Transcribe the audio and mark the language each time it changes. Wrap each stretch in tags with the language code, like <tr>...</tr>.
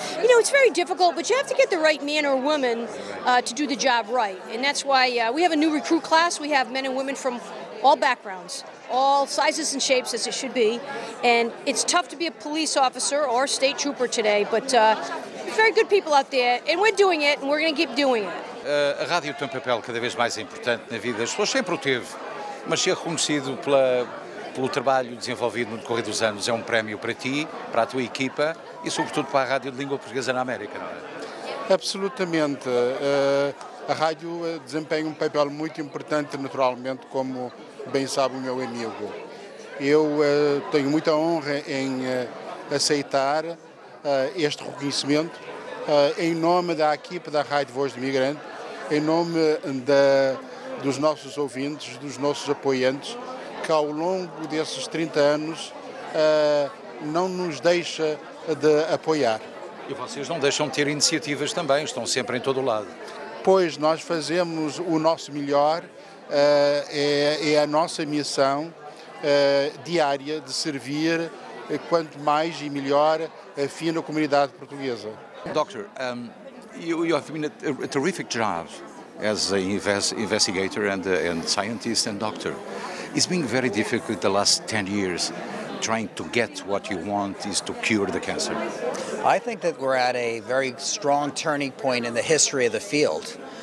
<en>You know, it's very difficult, but you have to get the right man or woman to do the job right. And that's why we have a new recruit class. We have men and women from all backgrounds, all sizes and shapes, as it should be. And it's tough to be a police officer or a state trooper today, but very good people out there, and we're doing it, and we're going to keep doing it.</en> <pt>A rádio tem um papel cada vez mais importante na vida. As pessoas sempre o teve, mas ser reconhecido pelo trabalho desenvolvido no decorrer dos anos é um prémio para ti, para a tua equipa e, sobretudo, para a Rádio de Língua Portuguesa na América, não é? Absolutamente. A rádio desempenha um papel muito importante, naturalmente, como bem sabe o meu amigo. Eu tenho muita honra em aceitar este reconhecimento em nome da equipa da Rádio Voz do Imigrante, em nome dos nossos ouvintes, dos nossos apoiantes, que ao longo desses 30 anos não nos deixa de apoiar. E vocês não deixam de ter iniciativas também, estão sempre em todo o lado. Pois, nós fazemos o nosso melhor, é a nossa missão diária de servir quanto mais e melhor a fina comunidade portuguesa.</pt> <en>Doctor, you have been a terrific job as an investigator and scientist and doctor. It's been very difficult the last 10 years trying to get what you want is to cure the cancer. I think that we're at a very strong turning point in the history of the field.</en>